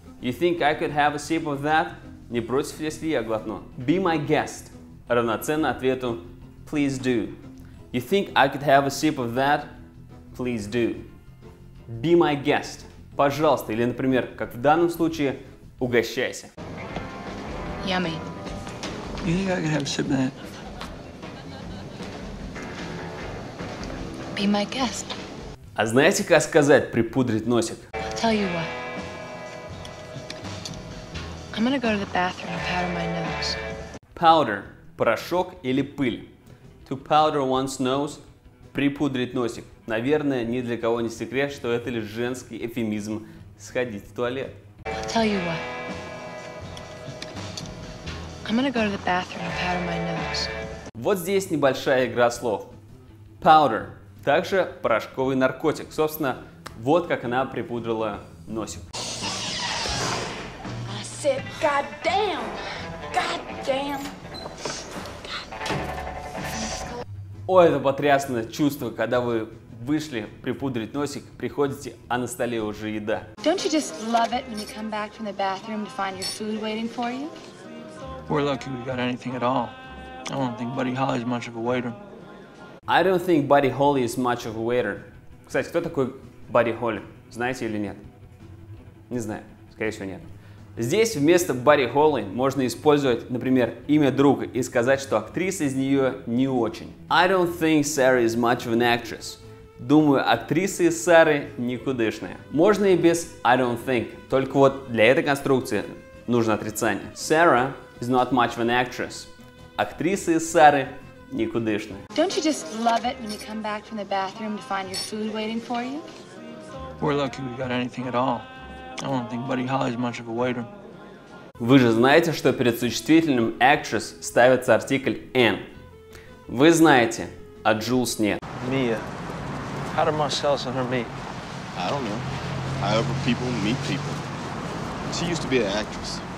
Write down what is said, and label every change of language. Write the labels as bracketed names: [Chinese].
[English] You think I could have a sip of that? [Russian] Не против, если я глотну. [English] Be my guest. [Russian] Равноценно ответу [English] please do. You think I could have a sip of that? Please do. Be my guest. [Russian] Пожалуйста, или, например, как в данном случае, угощайся. [English] Yummy. You think I could have a sip of that? Be my guest. [Russian] А знаете, как сказать припудрить носик? [English] Tell you what. I'm gonna go to the bathroom and powder my nose. [Russian] Powder – порошок или пыль. [English] To powder one's nose [Russian] – припудрить носик. Наверное, ни для кого не секрет, что это лишь женский эвфемизм – сходить в туалет. [English] I'll tell you what. I'm gonna go to the bathroom and powder my nose. [Russian] Вот здесь небольшая игра слов. Powder – также порошковый наркотик. Собственно, вот как она припудрила носик. [English] I said, God damn. God damn. God damn. [Russian] О, это потрясное чувство, когда вы вышли припудрить носик, приходите, а на столе уже еда. [English] Don't you just love it when you come back from the bathroom to find your food waiting for you? We're lucky we got anything at all. I don't think Buddy Holly's much of a waiter. I don't think Buddy Holly is much of a waiter. [Russian] Кстати, кто такой Buddy Holly, знаете или нет? Не знаю, скорее всего нет. Здесь вместо Buddy Holly можно использовать, например, имя друга и сказать, что актриса из нее не очень. [English] I don't think Sarah is much of an actress. [Russian] Думаю, актриса из Сары никудышная. Можно и без [English] I don't think, [Russian] только вот для этой конструкции нужно отрицание. [English] Sarah is not much of an actress. [Russian] Актриса из Сары никудышная. [English] Don't you just love it when you come back from the bathroom to find your food waiting for you? We're lucky we got anything at all. I don't think Buddy Holly's much of a waiter. [Russian] Вы же знаете, что перед существительным actress ставится артикль an. Вы знаете, а Джулс нет. [English] Mia, how do Marcellus and her meet? I don't know. However people meet people. She used to be an actress.